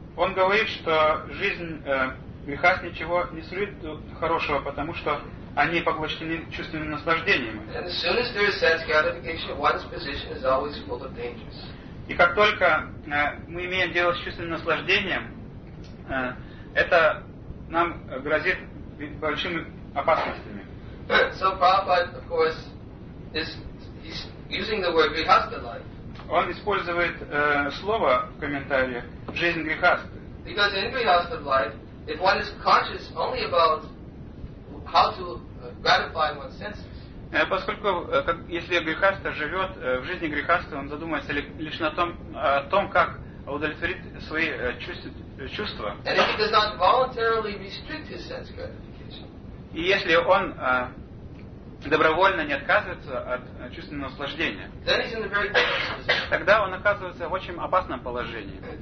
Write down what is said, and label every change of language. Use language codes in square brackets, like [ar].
[ru] Он говорит, что жизнь грехас ничего не сулит хорошего, потому что они поглощены чувственными наслаждениями. И как только мы имеем дело с чувственным наслаждением, это нам грозит большими опасностями. [en] So Prabhupada, of course, he's using the word grihastha life. [ru] Он использует слово в комментариях «жизнь грехаст». [en] Because in grihastha life, if one is conscious only about how to gratify one's senses. [ru] Поскольку если грехаста живет в жизни грехаста, он задумывается лишь о том, как удовлетворить свои чувства. [en] And if he does not voluntarily restrict his sense gratification. [ru] И если он добровольно не отказывается от чувственного наслаждения, [en] then he's in a very dangerous position. [ru] Тогда он оказывается в очень опасном положении.